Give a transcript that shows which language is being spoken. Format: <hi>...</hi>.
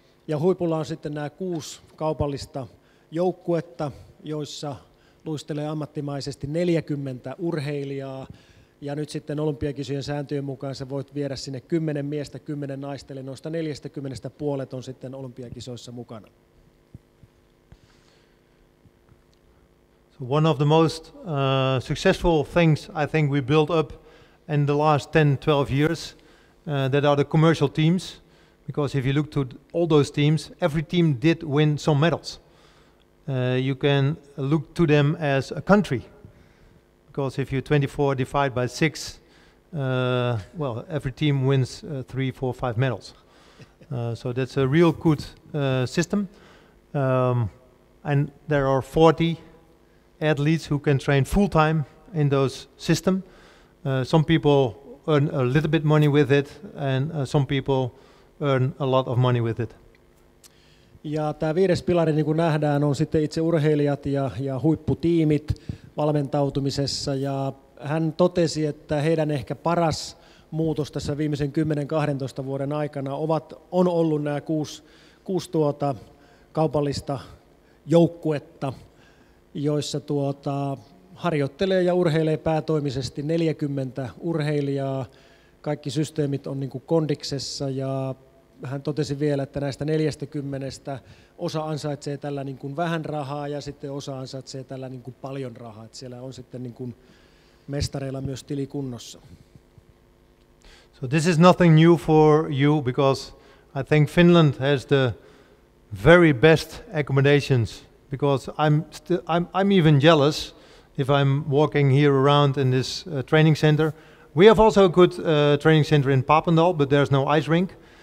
<fi>Ja huipulla on sitten nämä 6 kaupallista joukkuetta, joissa luistelee ammattimaisesti 40 urheilijaa, ja nyt sitten olympiakisojen sääntöjen mukaan sä voit viedä sinne 10 miestä, 10 naista, eli noista 40 puolet on sitten olympiakisoissa mukana.</fi> <en>So one of the most successful things I think we built up in the last 10-12 years, that are the commercial teams, because if you look to all those teams, every team did win some medals. You can look to them as a country, because if you're 24 divided by 6, well, every team wins 3, 4, 5 medals. So that's a real good system. And there are 40 athletes who can train full time in those system. Some people earn a little bit money with it, and some people earn a lot of money with it.</en> <fi>Ja tämä 5. pilari, niin kuin nähdään, on sitten itse urheilijat ja huipputiimit valmentautumisessa. Ja hän totesi, että heidän ehkä paras muutos tässä viimeisen 10-12 vuoden aikana on ollut nämä 6 tuota kaupallista joukkuetta, joissa harjoittelee ja urheilee päätoimisesti 40 urheilijaa. Kaikki systeemit on niin kuin kondiksessa, ja hän totesi vielä, että näistä 40 osa ansaitsee tällä niin kuin vähän rahaa, ja sitten osa ansaitsee tällä niin kuin paljon rahaa. Että siellä on sitten niin kuin mestareilla myös tili kunnossa.</fi> <en>So this is nothing new for you, because I think Finland has the very best accommodations, because I'm even jealous if I'm walking here around in this training center. We have also a good training center in Papendal, but there's no ice rink.</en>